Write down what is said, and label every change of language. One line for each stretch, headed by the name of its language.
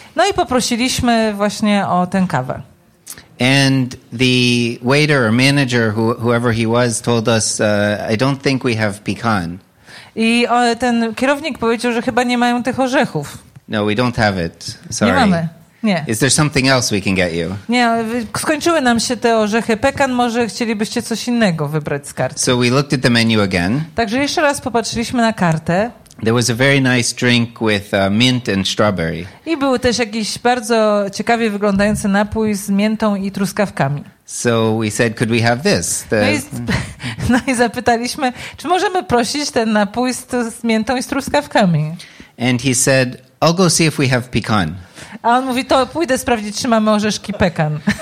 Polish: No i poprosiliśmy właśnie o tę kawę.
English: And the waiter or manager, whoever he was, told us, I don't think we have pecan.
Polish: I ten kierownik powiedział, że chyba nie mają tych orzechów.
English: No, we don't have it. Sorry.
Polish: Nie mamy. Nie.
English: Is there something else we can get you?
Polish: Nie, skończyły nam się te orzechy pekan, może chcielibyście coś innego wybrać z karty.
English: So we looked at the menu again.
Polish: Także jeszcze raz popatrzyliśmy na kartę.
English: There was a very nice drink with mint and strawberry.
Polish: I był też jakiś bardzo ciekawie wyglądający napój z miętą i truskawkami.
English: So we said, could we have this?
Polish: No i zapytaliśmy, czy możemy prosić ten napój z miętą i z truskawkami.
English: And he said, I'll go see if we have pecan.
Polish: A on mówi, to pójdę sprawdzić, czy mamy orzeszki pekan.